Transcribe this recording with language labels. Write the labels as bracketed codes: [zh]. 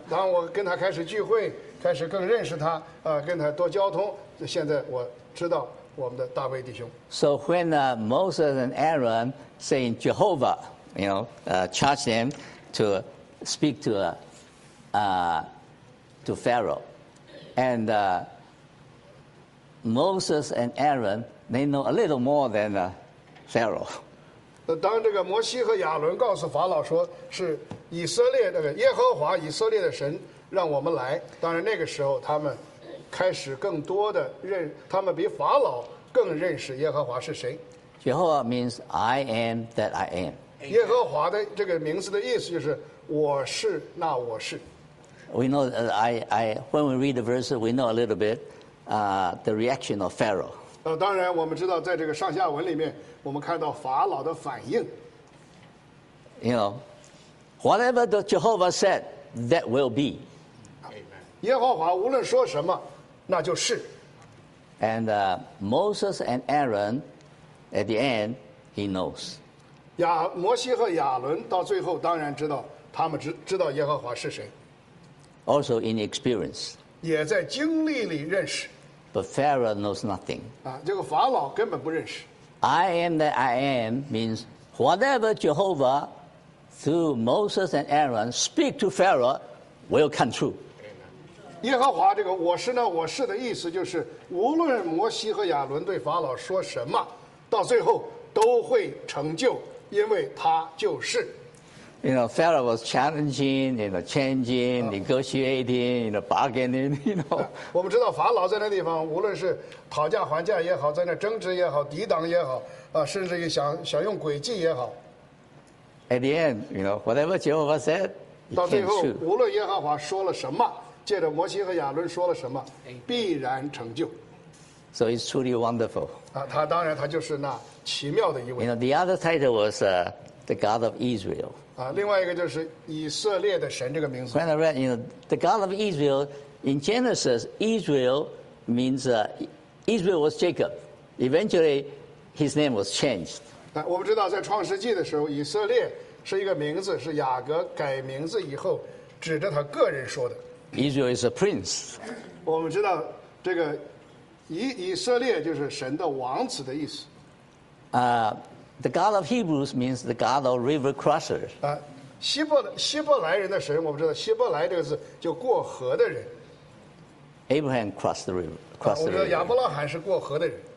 [zh] 当我跟他开始聚会，开始更认识他，跟他多交通，现在我知道我们的大卫弟兄。 [en] So when Moses and Aaron saying Jehovah, charge them to speak to Pharaoh, and Moses and Aaron, they know a little more than Pharaoh. [zh] 当这个摩西和亚伦告诉法老说是以色列那个耶和华以色列的神让我们来，当然那个时候他们开始更多的认，他们比法老更认识耶和华是谁。 [en] Jehovah means I am that I am. [zh] 耶和华的这个名字的意思就是我是那我是。 [en] We know that when we read the verse, we know a little bit. The reaction of Pharaoh. [zh] 当然我们知道在这个上下文里面我们看到法老的反应。 [en] Whatever the Jehovah said, that will be. [zh] Amen. 耶和华无论说什么那就是。 [en] And Moses and Aaron, at the end, he knows. [zh] 摩西和亚伦到最后当然知道，他们知道耶和华是谁。 [en] Also in experience. [zh] 也在经历里认识。 [en] But Pharaoh knows nothing. [zh] 这个法老根本不认识。 [en] I am that I am means whatever Jehovah through Moses and Aaron speak to Pharaoh will come true. [zh] 耶和华这个我是呢我是的意思就是无论摩西和亚伦对法老说什么到最后都会成就因为他就是。 [en] You know, Pharaoh was challenging, you know, changing, negotiating, you know, bargaining, you know. [zh] 我们知道法老在那地方，无论是讨价还价也好，在那争执也好，抵挡也好，甚至于想用诡计也好。 [en] At the end, you know, whatever Jehovah said, [zh] 到最后，无论耶和华说了什么，借着摩西和亚伦说了什么，必然成就。 [en] So it's truly wonderful. [zh] 他当然他就是那奇妙的一位。 [en] You know, the other title was the God of Israel. [zh] 另外一个就是以色列的神这个名字。 [en] When I read, you know, the God of Israel in Genesis, Israel means Israel was Jacob. Eventually, his name was changed. [zh] 我们知道在创世纪的时候，以色列是一个名字，是雅各改名字以后指着他个人说的。 [en] Israel is a prince. [zh] 我们知道这个以色列就是神的王子的意思。 [en] The God of Hebrews means the God of river crosser. [zh] 希伯来人的神，我们知道希伯来这个字就过河的人。 [en] Abraham crossed the river. Crossed the river. [zh] 我们知道亚伯拉罕是过河的人。